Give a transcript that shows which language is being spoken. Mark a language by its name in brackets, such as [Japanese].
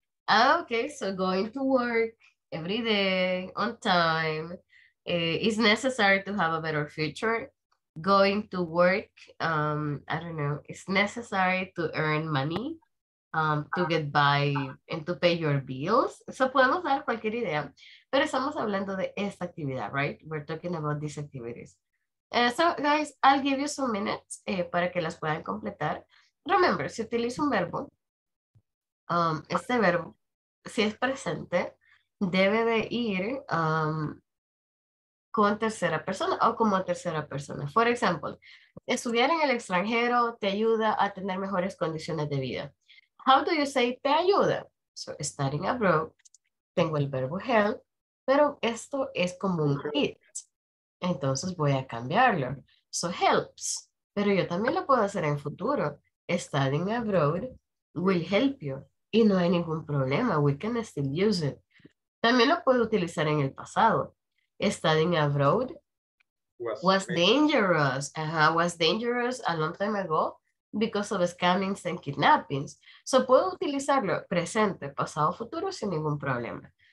[English] Okay, so going to work every day, on time. It's necessary to have a better future. Going to work, I don't know, it's necessary to earn money, to get by and to pay your bills. [Spanish] So podemos dar cualquier idea, pero estamos hablando de esta actividad, right? [English] We're talking about these activities. So guys, I'll give you some minutes [Spanish] para que las puedan completar. Remember, si utilizo un verbo, este verbo, si es presente, debe de ir con tercera persona o como tercera persona. [English] For example, [Spanish] estudiar en el extranjero te ayuda a tener mejores condiciones de vida. [English] How do you say [Spanish] te ayuda? [English] So, studying abroad, [Spanish] tengo el verbo help, pero esto es como un it. Entonces voy a cambiarlo. [English] So, helps. [Spanish] Pero yo también lo puedo hacer en futuro. [English] Studying abroad will help you. [Spanish] Y no hay ningún problema. [English] We can still use it. [Spanish] También lo puedo utilizar en el pasado. [English] Studying abroad was dangerous. Was dangerous a long time ago because of scammings and kidnappings. [Spanish] So puedo utilizarlo presente, pasado, futuro sin ningún problema.